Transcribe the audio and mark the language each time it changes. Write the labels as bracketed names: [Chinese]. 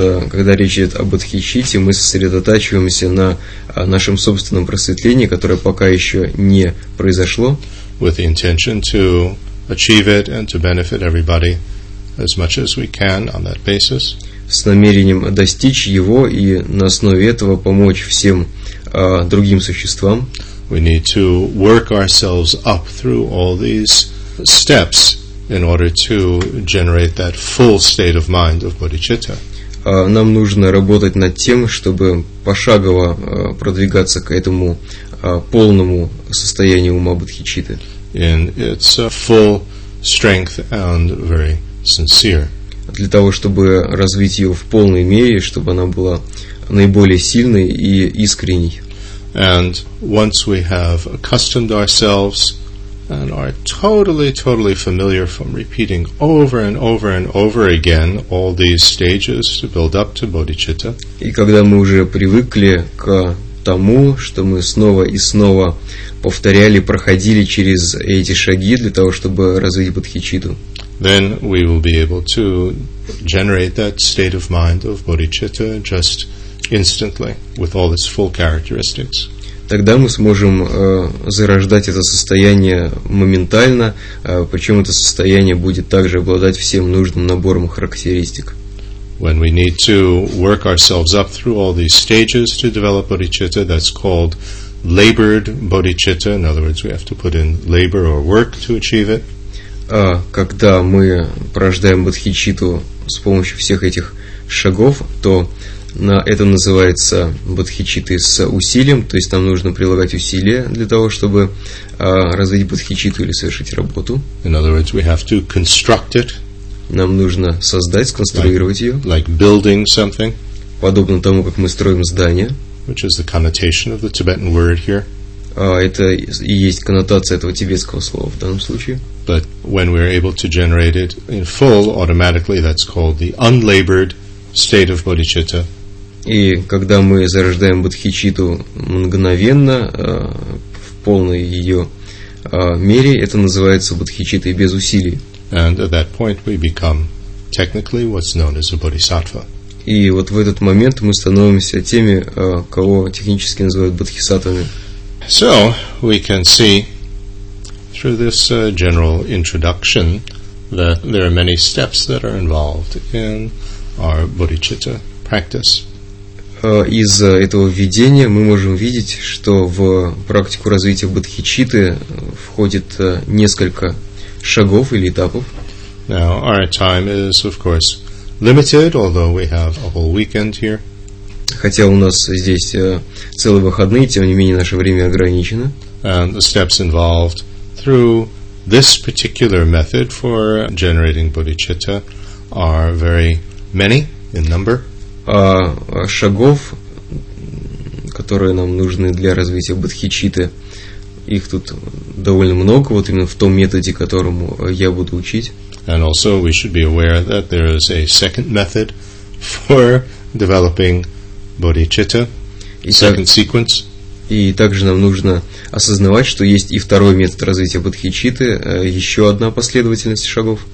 [Russian] Когда речь идет о бодхичитте, мы сосредотачиваемся на нашем собственном просветлении, которое пока еще не произошло. [English] With the intention to achieve it and to benefit everybody as much as we can on that basis. [Russian] С намерением достичь его и на основе этого помочь всем другим существам. [English] We need to work ourselves up through all these steps in order to generate that full state of mind of bodhicitta. [Russian] Нам нужно работать над тем, чтобы пошагово продвигаться к этому полному состоянию ума бодхичитты. [English] In its full strength and very sincere. [Russian] Для того, чтобы развить ее в полной мере, чтобы она была наиболее сильной и искренней. [English] And once we have accustomed ourselves and are totally, totally familiar from repeating over and over and over again all these stages to build up to bodhicitta. [Russian] И когда мы уже привыкли к тому, что мы снова и снова повторяли, проходили через эти шаги для того, чтобы развить бодхичитту. [English] Then we will be able to generate that state of mind of bodhicitta just instantly with all its full characteristics. [Russian] Тогда мы сможем зарождать это состояние моментально, причем это состояние будет также обладать всем нужным набором характеристик. [English] When we need to work ourselves up through all these stages to develop bodhicitta, that's called labored bodhicitta. In other words, we have to put in labor or work to achieve it. [Russian] Когда мы порождаем бодхичитту с помощью всех этих шагов, то это называется бодхичитты с усилием, то есть нам нужно прилагать усилия для того, чтобы развить бодхичитту или совершить работу. [English] In other words, we have to construct it. [Russian] Нам нужно создать, сконструировать ее. [English] Like building something. [Russian] Подобно тому, как мы строим здание. [English] Which is the connotation of the Tibetan word here. [Russian] Это и есть коннотация этого тибетского слова в данном случае. [English] But when we are able to generate it in full, automatically, that's called the unlabored state of bodhicitta. [Russian] И когда мы зарождаем бодхичитту мгновенно, в полной ее мере, это называется бодхичиттой без усилий. [English] And at that point we become technically what's known as a bodhisattva. [Russian] И вот в этот момент мы становимся теми, кого технически называют бодхисаттвами. [English] So we can see through this general introduction that there are many steps that are involved in our bodhicitta practice. [Russian] Из этого введения мы можем видеть, что в практику развития бодхичитты входит несколько шагов или этапов. [English] Now, our time is, of course, limited, although we have a whole weekend here. [Russian] Хотя у нас здесь целые выходные, тем не менее наше время ограничено. [English] And the steps involved through this particular method for generating bodhicitta are very many in number. [Russian] Шагов, которые нам нужны для развития бодхичитты, их тут довольно много, вот именно в том методе, которому я буду учить. [English] And also we should be aware that there is a second method for developing bodhicitta, second sequence. [Russian] И также нам нужно осознавать, что есть и второй метод развития бодхичитты, еще одна последовательность шагов.